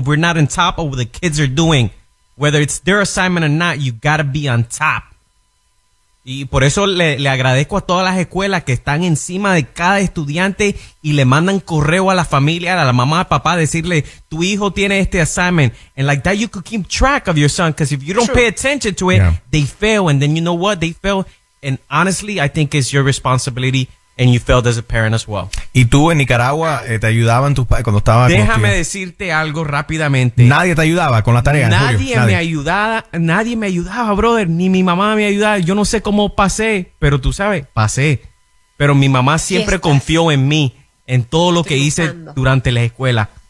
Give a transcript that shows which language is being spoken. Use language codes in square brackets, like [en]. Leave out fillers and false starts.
[en] We're not on top of what the kids are doing, whether it's their assignment or not. You gotta be on top. [es] Y por eso le agradezco a todas las escuelas que están encima de cada estudiante y le mandan correo a la familia, a la mamá, al papá, decirle, tu hijo tiene este assignment. [en] And like that, you could keep track of your son, because if you don't pay attention to it, they fail. And then you know what? They fail. And honestly, I think it's your responsibility, and you failed as a parent as well. [es] ¿Y tú en Nicaragua te ayudaban tus padres cuando estabas? Déjame decirte algo rápidamente. Nadie te ayudaba con la tarea. Nadie me ayudaba, brother. Ni mi mamá me ayudaba. Yo no sé cómo pasé, pero tú sabes, pasé. Pero mi mamá siempre confió en mí, en todo lo que hice durante la escuela.